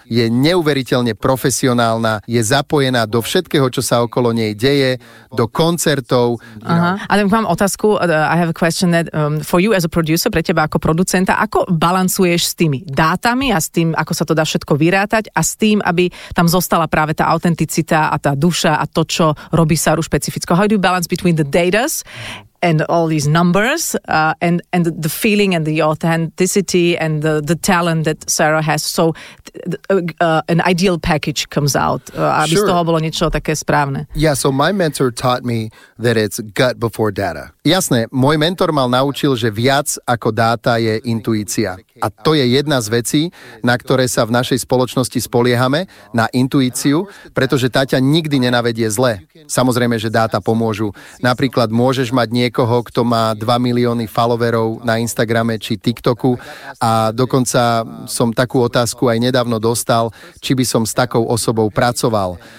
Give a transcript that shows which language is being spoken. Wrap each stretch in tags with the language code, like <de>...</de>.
<sk>Je neuveriteľne profesionálna, je zapojená do všetkého, čo sa okolo nej deje, do koncertov. A tam mám otázku,</sk> <en>I have a question that for you as a producer,</en> <sk>pre teba ako producenta, ako balancuješ s tými dátami a s tým, ako sa to dá všetko vyrátať a s tým, aby tam zostala práve tá autenticita a tá duša a to, čo robí Saru špecificko.</sk> <en>How do you balance between the datas and all these numbers and the feeling and the authenticity and the talent that Sara has? So an ideal package comes out.</en> <sk>Aby sure. Z toho bolo niečo také správne.</sk> <en>Yeah, so my mentor taught me that it's gut before data.</en> <sk>Jasné, môj mentor mal naučil, že viac ako dáta je intuícia. A to je jedna z vecí, na ktoré sa v našej spoločnosti spoliehame, na intuíciu, pretože tá ťa nikdy nenavedie zle. Samozrejme, že dáta pomôžu. Napríklad môžeš mať niekoho, kto má 2 milióny followerov na Instagrame či TikToku a dokonca som takú otázku aj nedávno dostal, či by som s takou osobou pracoval.</sk>